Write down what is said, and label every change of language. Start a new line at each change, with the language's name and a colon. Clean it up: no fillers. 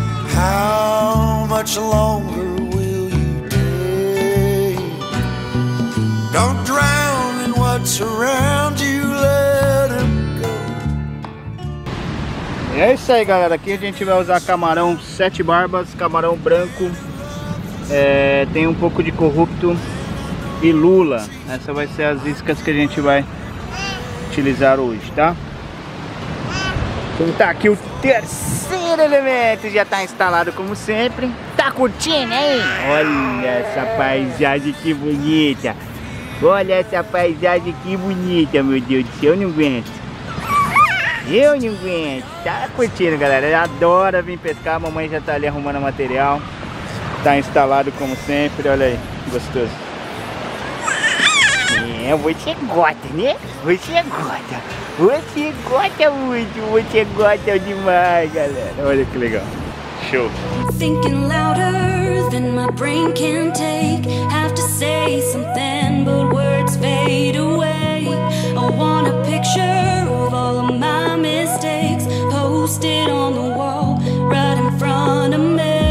English: How much longer will you take? Don't drown in what's around you, let him go.
Portuguese: E é isso aí, galera. Aqui a gente vai usar camarão sete barbas, camarão branco. É, tem um pouco de corrupto e lula. Essas vai ser as iscas que a gente vai utilizar hoje, tá? Então tá aqui o terceiro elemento, já tá instalado como sempre. Tá curtindo aí? Olha essa paisagem que bonita. Olha essa paisagem que bonita, meu Deus do céu, eu não aguento. Eu não aguento. Tá curtindo, galera? Adora vir pescar. A mamãe já tá ali arrumando material. Tá instalado como sempre, olha aí, gostoso. É, você gosta, né? Você gosta. Você gosta muito, você gosta demais, galera. Olha que legal. Show.
English: Thinking louder than my brain can take. Have to say something, but words fade away. I want a picture of all of my mistakes. Posted on the wall, right in front of me.